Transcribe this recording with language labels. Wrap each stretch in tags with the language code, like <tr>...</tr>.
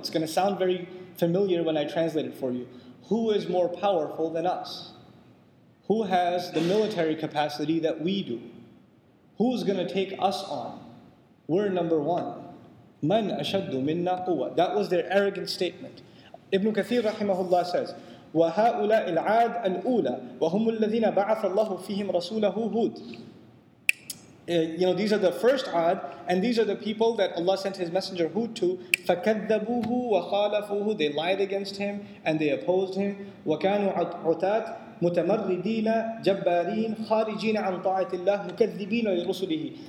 <en>It's going to sound very familiar when I translate it for you. Who is more powerful than us? Who has the military capacity that we do? Who's going to take us on? We're number one.</en> <ar>Man ashaddu minna quwwah.</ar> <en>That was their arrogant statement. Ibn Kathir rahimahullah says,</en> <ar>وَهَٰؤُلَاءِ الْعَادِ الْأُولَىٰ وَهُمُ الَّذِينَ بَعَثَ اللَّهُ فِيهِمْ رَسُولَهُ هُودٍ.</ar> <en>You know, these are the first Ad, and these are the people that Allah sent His Messenger Hud to.</en> <ar>فَكَذَّبُوهُ وَخَالَفُوهُ.</ar> <en>They lied against Him and they opposed Him.</en> <ar>وَكَانُوا عُتَاتْ مُتَمَرِّدِينَ جَبَّارِينَ خَارِجِينَ عَنْ طَاعَةِ اللَّهِ مُكَذِّبِينَ لِرُسُلِهِ.</ar>